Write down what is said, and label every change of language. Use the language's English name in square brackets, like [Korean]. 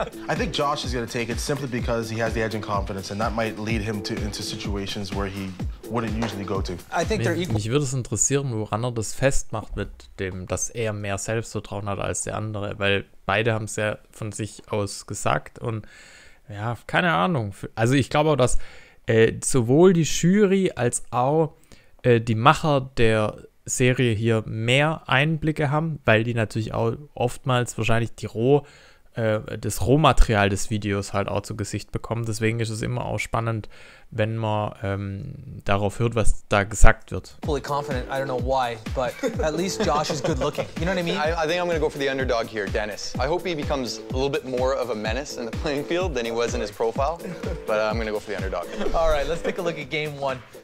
[English] I think Josh is going to take it simply because he has the edge and confidence, and that might lead him to into situations where he wouldn't usually go to. I think they're equal. [German] Mich würde es interessieren, woran er das festmacht mit dem, dass er mehr Selbstvertrauen hat als der andere, weil beide haben es ja von sich aus gesagt und ja, keine Ahnung. Also ich glaube auch, dass sowohl die Jury als auch die Macher der Serie hier mehr Einblicke haben, weil die natürlich auch oftmals wahrscheinlich das Rohmaterial des Videos halt auch zu Gesicht bekommen. Deswegen ist es immer auch spannend, wenn man darauf hört, was da gesagt wird. [English] Fully confident, I don't know why, but at least Josh is good looking. You know what I mean? I think I'm gonna go for the underdog here, Dennis. I hope he becomes a little bit more of a menace in the playing field than he was in his profile, but I'm gonna go for the underdog. All right, let's take a look at game one.